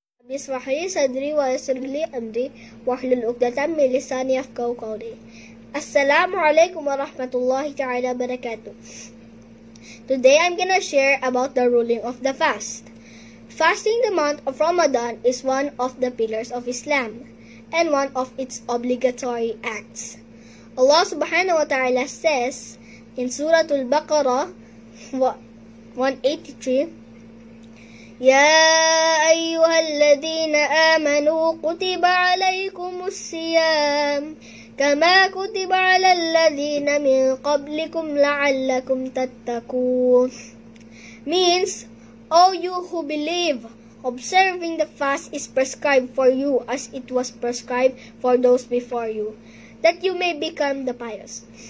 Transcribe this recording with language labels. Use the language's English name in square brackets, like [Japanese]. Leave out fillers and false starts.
[Arabic] يسمح لي صدري ويسر لي أمري واحلل عقدة من لساني يفقهوا قولي. السلام عليكم ورحمة الله تعالى وبركاته. [English] Today I'm gonna share about the ruling of the fast. Fasting the month of Ramadan is one of the pillars of Islam and one of its obligatory acts. Allah subhanahu wa ta'ala says in Surah Al-Baqarah 183, [Arabic] يا أيها الذين آمنوا كتب عليكم الصيام كما كتب على الذين من قبلكم لعلكم تتقون. [English] Means, O you who believe, observing the fast is prescribed for you as it was prescribed for those before you, that you may become the pious.